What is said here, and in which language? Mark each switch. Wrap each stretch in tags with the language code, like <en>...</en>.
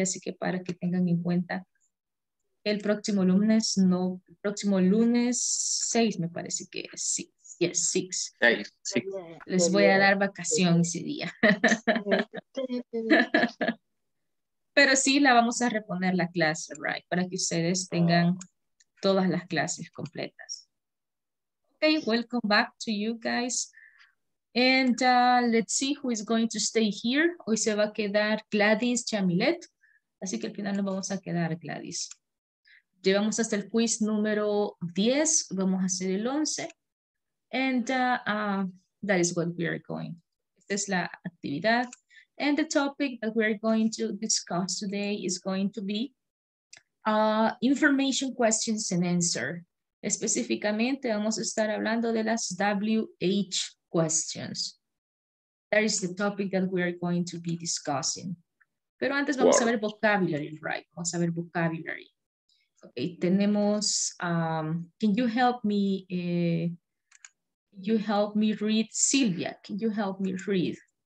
<es>Así que para que tengan en cuenta el próximo lunes, no, el próximo lunes 6 me parece que es, sí,</es> <en>yes,</en> <es>6. Hey, sí. Les voy a dar vacación ese día. Pero sí, la vamos a reponer la clase,</es> <en>right?</en> <es>Para que ustedes tengan todas las clases completas.</es> <en>Okay, welcome back to you guys. And let's see who is going to stay here.</en> <es>Hoy se va a quedar Gladys Chamilet. Así que al final nos vamos a quedar Gladys. llegamos hasta el quiz número 10, vamos a hacer el 11.</es> <en>And that is what we are going.</en> <es>Esta es la actividad.</es> <en>And the topic that we are going to discuss today is going to be information questions and answer.</en> <es>Específicamente vamos a estar hablando de las WH questions.</es> <en>That is the topic that we are going to be discussing.</en> <es>Pero antes vamos a ver</es> <en>vocabulary, right?</en> <es>Vamos a ver</es> <en>vocabulary. Okay,</en> <es>tenemos,</es> <en>can you help me? You help me read, Silvia, can you help me read?</en>